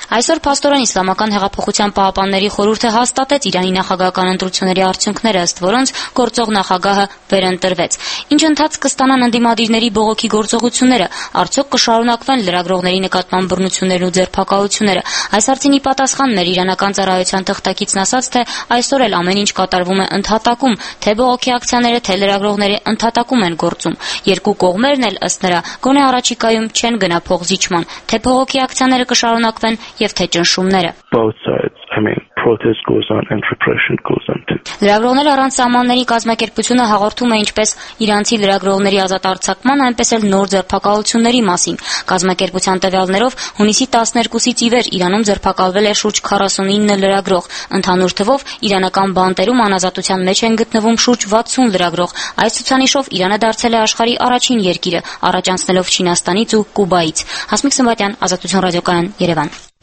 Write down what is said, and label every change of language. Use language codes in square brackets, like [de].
[hy] Այսօր պաստորան իսլամական հեղափոխության պահապանների խորհուրդը հաստատեց Իրանի նախագահական ընտրությունների արդյունքները, ըստ որոնց գործող նախագահը վերընտրվեց։ Ինչ ընթաց կստանան ընդդիմադիրների բողոքի գործողությունները, արդյոք կշարունակվեն լրագրողների նկատմամբ բռնություններն ու ձերբակալությունները։ Այս հարցինի պատասխան մեր իրանական ծառայության թղթակիցն ասաց, թե այսօր էլ ամեն ինչ կատարվում է ընդհատակում, թե բողոքի ակցիաները, թե լրագրողները ընդհատակում են գործում։ Երկու կողմերն էլ ըստ նրա գոնե առաջիկայում չեն գնապող զիջման, թե փողոքի ակցիաները կշարունակվեն եւ թե ճնշումները։ [en] Protest goes on and repression goes on too. [hy] Լրագրողներ առանց սահմանների կազմակերպությունը հաղորդում է ինչպես իրանցի լրագրողների ազատ արձակման, այնպես էլ նոր ձերբակալությունների մասին։ Կազմակերպության տվյալներով հունիսի 12-ից ի վեր Իրանում ձերբակալվել է շուրջ 49 լրագրող, ընդհանուր թվով իրանական բանտերում անազատության մեջ են գտնվում շուրջ 60 լրագրող։ Այս ցուցանիշով Իրանը դարձել է աշխարհի առաջին երկիրը, առաջացնելով Չինաստանից ու Կուբայից։ Հասմիկ Սմբատյան, Ազատություն ռադիոկայան, Երևան։